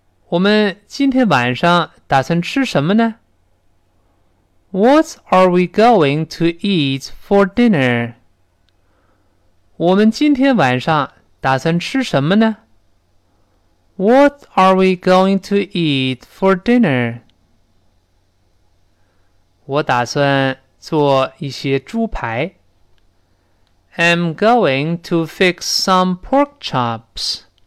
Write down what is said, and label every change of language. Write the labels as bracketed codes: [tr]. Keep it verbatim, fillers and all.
[zh] 我们今天晚上打算吃什么呢 [en] What are we going to eat for dinner? [zh] 我们今天晚上打算吃什么呢 [en] What are we going to eat for dinner? [zh] 我打算做一些猪排。 [en] I'm going to fix some pork chops.